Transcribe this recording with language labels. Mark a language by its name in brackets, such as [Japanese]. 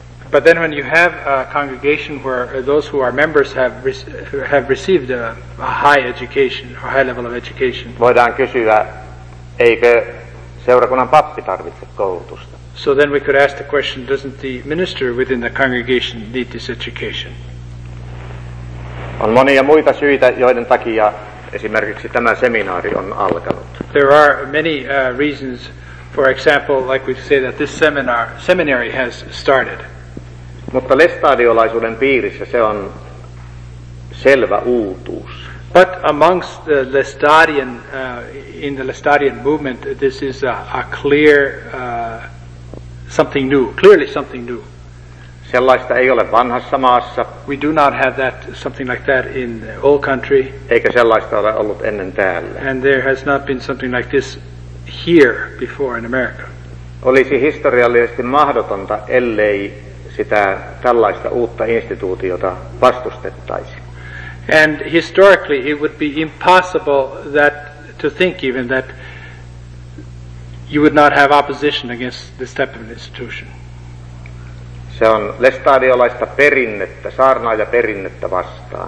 [English] but then when you have a congregation where those who are members have received a high education, a high level of education, [Finnish] voidaan kysyä, eikö seurakunnan pappi tarvitse koulutusta? [English] So then we could ask the question, doesn't the minister within the congregation need this education? [Finnish] On monia muita syitä, joiden takia esimerkiksi tämä seminaari on alkanut. [English] There are many reasons, for example, like we say that this seminary has started. [Finnish] Mutta lestadiolaisuuden piirissä se on selvä uutuus. [English] But amongst the Lestadian, in the Lestadian movement, this is a clear something new, clearly something new. [Finnish] Sellaista ei ole vanhassa maassa. [English] We do not have that something like that in the old country. [Finnish] Eikä sellaista ole ollut ennen täällä. [English] And there has not been something like this here before in America. [Finnish] Olisi historiallisesti mahdotonta, ellei sitä tällaista uutta instituutiota vastustettaisi. [English] And historically it would be impossible that to think even that you would not have opposition against this type of institution. [Finnish] Se on lestadiolaista perinnettä, saarnaajaperinnettä vastaan.